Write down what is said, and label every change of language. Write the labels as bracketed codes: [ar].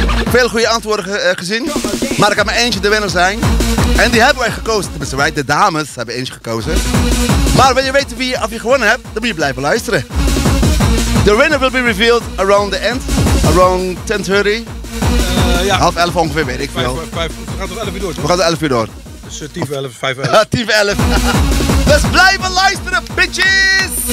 [nl] Veel goede antwoorden gezien. Maar ik heb maar eentje de winnaar zijn. En die hebben wij gekozen. Tenminste, wij, de dames, hebben eentje gekozen. Maar wil je weten wie of je gewonnen hebt, dan moet je blijven luisteren. [en] The winner will be revealed around the end. Around 10:30. [nl] Half 11 ongeveer, weet ik veel. We gaan tot 11 uur door. Toch? Dus 10 voor 11, 5 uur. Dus blijven luisteren, bitches!